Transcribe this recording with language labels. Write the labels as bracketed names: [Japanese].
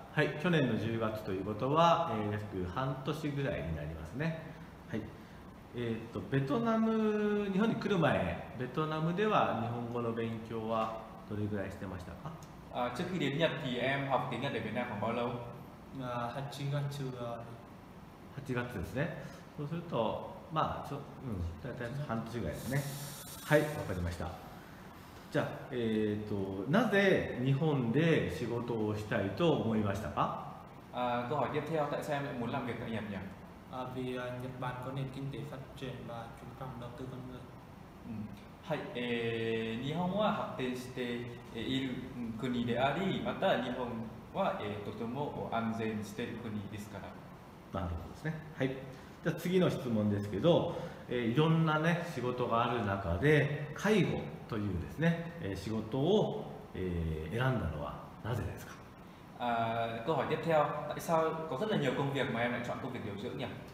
[Japanese] はい、去年の10月ということは、約半年ぐらいになりますね。はい。ベトナム、日本に来る前、ベトナムでは日本語の勉強はどれぐらいしてましたか？ [Vietnamese] trước khi đến Nhật thì em học tiếng Nhật ở Việt Nam khoảng bao lâu? [Japanese] 8月。 8月ですね。そうすると、まあ、大体半年ぐらいですね。はい、わかりました。じゃあ、なぜ日本で仕事をしたいと思いましたか？ [Vietnamese] câu hỏi tiếp theo, tại sao em lại muốn làm việc tại Nhật nhỉ? Vì Nhật Bản có nền kinh tế phát triển và chú trọng đầu tư con người. [Japanese] はい、日本は発展している国であり、また日本は、とても安全している国ですから。なるほどですね。はい。じゃあ次の質問ですけど、いろんなね仕事がある中で介護というですね、仕事を、選んだのはなぜですか？ [Vietnamese] câu hỏi tiếp theo, tại sao có rất là nhiều công việc mà em lại chọn công việc điều dưỡng nhỉ?